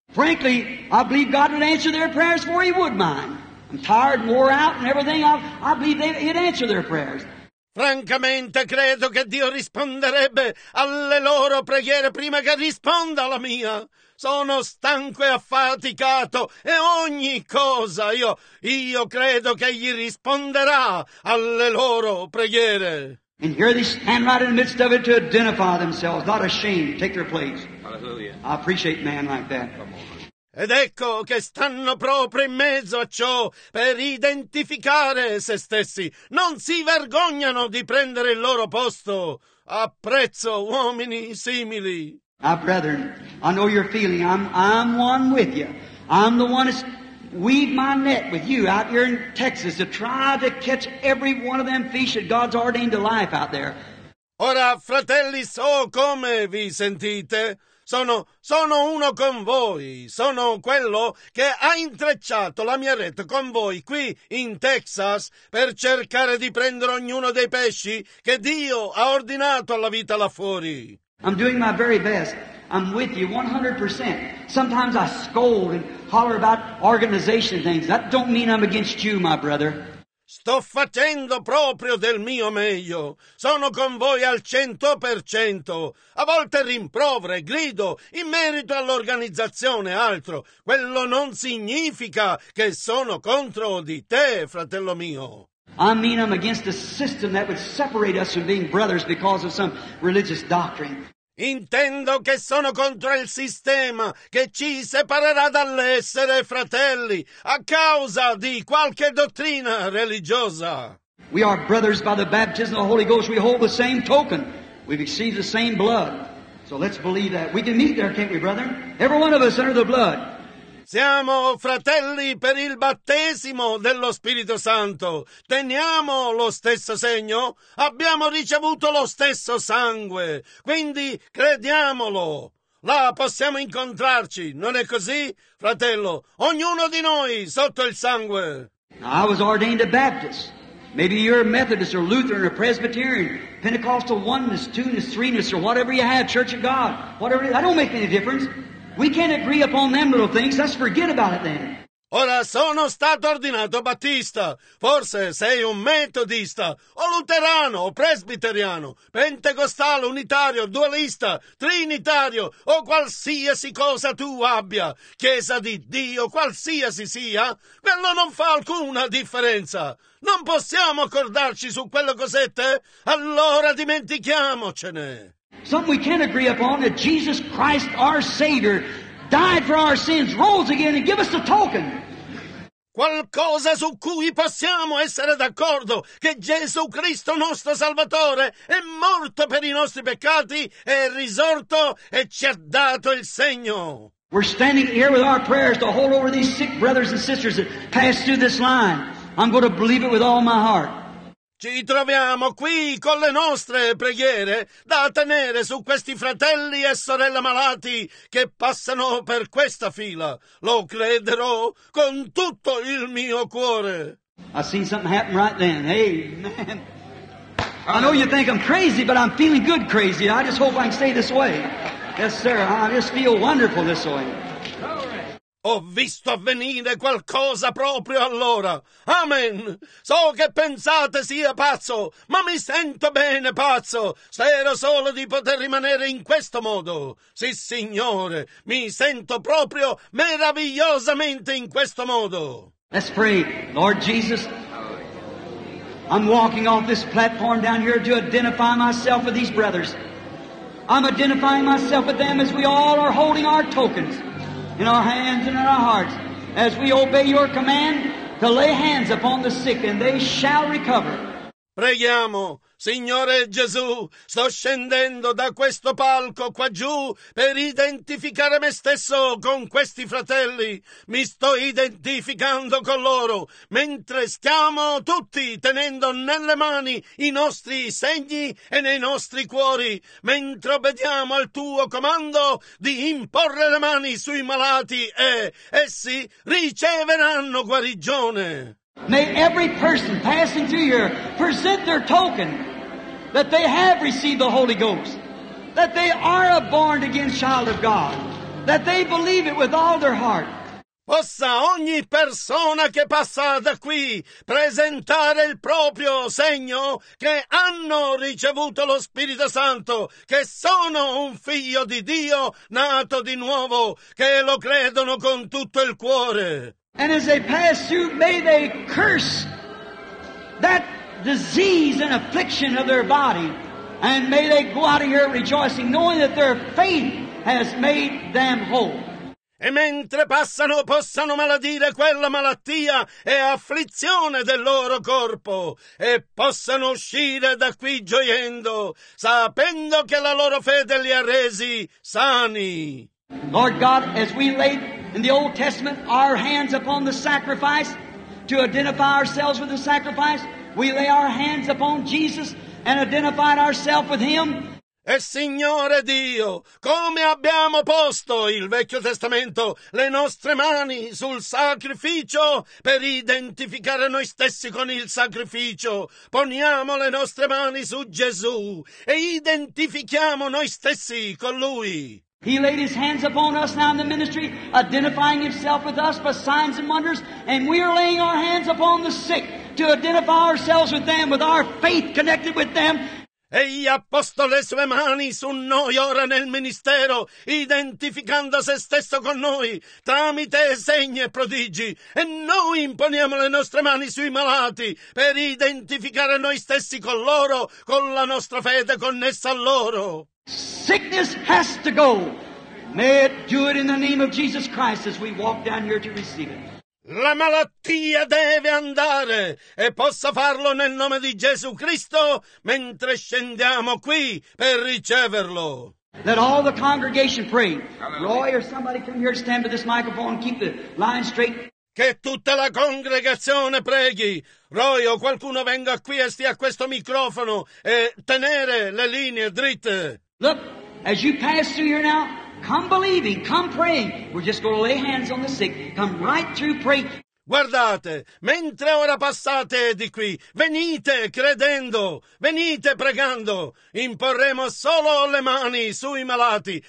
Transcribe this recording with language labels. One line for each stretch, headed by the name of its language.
English: Frankly, I believe God would answer their prayers for he would mine. I'm tired and wore out and everything. I believe he'd answer their prayers.
Italian: Francamente, credo che Dio risponderebbe alle loro preghiere prima che risponda alla mia. Sono stanco e affaticato e ogni cosa. Io credo che gli risponderà alle loro preghiere.
English: And here they stand right in the midst of it to identify themselves, not ashamed. Take their place. Hallelujah. I appreciate man like that.
Italian: Ed ecco che stanno proprio in mezzo a ciò per identificare se stessi. Non si vergognano di prendere il loro posto. Apprezzo uomini simili.
English: My brethren, I know your feeling. I'm one with you. I'm the one that's weaved my net with you out here in Texas to try to catch every one of them fish that God's ordained to life out there.
Italian: Ora, fratelli, so come vi sentite. Sono uno con voi, sono quello che ha intrecciato la mia rete con voi qui in Texas per cercare di prendere ognuno dei pesci che Dio ha ordinato alla vita là fuori.
English: I'm doing my very best. I'm with you 100%. Sometimes I scold and holler about organization things. That don't mean I'm against you, my brother.
Italian: Sto facendo proprio del mio meglio. Sono con voi al 100%. A volte rimprovero e grido in merito all'organizzazione, altro. Quello non significa che sono contro di te, fratello mio.
English: I mean I'm against a system that would separate us from being brothers because of some religious doctrine.
Italian: Intendo che sono contro il sistema che ci separerà dall'essere fratelli a causa di qualche dottrina religiosa.
English: We are brothers by the baptism of the Holy Ghost. We hold the same token. We've received the same blood. So let's believe that. We can meet there, can't we, brother? Every one of us under the blood.
Italian: Siamo fratelli per il battesimo dello Spirito Santo. Teniamo lo stesso segno. Abbiamo ricevuto lo stesso sangue. Quindi crediamolo. Là possiamo incontrarci. Non è così, fratello? Ognuno di noi sotto il sangue.
English: I was ordained a Baptist. Maybe you're a Methodist or Lutheran or Presbyterian. Pentecostal oneness, two-ness, three-ness or whatever you have, Church of God. Whatever. That don't make any difference. We can't agree upon them little things. Let's forget about it then.
Italian: Ora sono stato ordinato battista. Forse sei un metodista, o luterano, o presbiteriano, pentecostale, unitario, dualista, trinitario, o qualsiasi cosa tu abbia, chiesa di Dio, qualsiasi sia, quello non fa alcuna differenza. Non possiamo accordarci su quelle cosette? Allora dimentichiamocene.
English: Something we can't agree upon, that Jesus Christ, our Savior, died for our sins, rose again, and give us the token.
Italian: Qualcosa su cui possiamo essere d'accordo, che Gesù Cristo, nostro Salvatore, è morto per i nostri peccati, è risorto e ci ha dato il segno.
English: We're standing here with our prayers to hold over these sick brothers and sisters that pass through this line. I'm going to believe it with all my heart.
Italian: Ci troviamo qui con le nostre preghiere da tenere su questi fratelli e sorelle malati che passano per questa fila. Lo crederò con tutto il mio cuore.
English: I seen something happen right then. Hey, man. I know you think I'm crazy, but I'm feeling good crazy. I just hope I can stay this way. Yes, sir. I just feel wonderful this way.
Italian: Ho visto avvenire qualcosa proprio allora. Amen. So che pensate sia pazzo, ma mi sento bene pazzo. Spero solo di poter rimanere in questo modo. Sì, signore, mi sento proprio meravigliosamente in questo modo.
English: Let's pray. Lord Jesus, I'm walking off this platform down here to identify myself with these brothers. I'm identifying myself with them as we all are holding our tokens in our hands and in our hearts, as we obey your command to lay hands upon the sick and they shall recover.
Italian: Preghiamo, Signore Gesù, sto scendendo da questo palco qua giù per identificare me stesso con questi fratelli. Mi sto identificando con loro mentre stiamo tutti tenendo nelle mani i nostri segni e nei nostri cuori, mentre obbediamo al tuo comando di imporre le mani sui malati e essi riceveranno guarigione.
English: May every person passing through here present their token that they have received the Holy Ghost, that they are a born-again child of God, that they believe it with all their heart.
Italian: Possa ogni persona che passa da qui presentare il proprio segno che hanno ricevuto lo Spirito Santo, che sono un figlio di Dio nato di nuovo, che lo credono con tutto il cuore.
English: And as they pass through, may they curse that disease and affliction of their body. And may they go out of here rejoicing, knowing that their faith has made them whole.
Italian: E mentre passano, possano maledire quella malattia e afflizione del loro corpo. E possano uscire da qui gioiendo, sapendo che la loro fede li ha resi sani.
English: Lord God, as we lay in the Old Testament, our hands upon the sacrifice to identify ourselves with the sacrifice, we lay our hands upon Jesus and identified ourselves with Him.
Italian: E Signore Dio, come abbiamo posto il Vecchio Testamento le nostre mani sul sacrificio per identificare noi stessi con il sacrificio, poniamo le nostre mani su Gesù e identifichiamo noi stessi con Lui.
English: He laid his hands upon us now in the ministry, identifying himself with us by signs and wonders, and we are laying our hands upon the sick to identify ourselves with them, with our faith connected with them.
Italian: Egli ha posto le sue mani su noi ora nel ministero, identificando se stesso con noi tramite segni e prodigi. E noi imponiamo le nostre mani sui malati per identificare noi stessi con loro, con la nostra fede connessa a loro.
English: Sickness has to go. May it do it in the name of Jesus Christ as we walk down here to receive it.
Italian: La malattia deve andare e possa farlo nel nome di Gesù Cristo mentre scendiamo qui per riceverlo.
English: Let all the congregation pray. Roy or somebody come here to stand with this microphone and keep the line straight.
Italian: Che tutta la congregazione preghi. Roy o qualcuno venga qui e stia a questo microfono e tenere le linee dritte.
English: Look, as you pass through here now, come believing, come praying. We're just going to lay hands on the sick. Come right through, pray.
Italian: Guardate, mentre ora passate di qui, venite credendo, venite pregando. Imporremo solo le mani sui malati.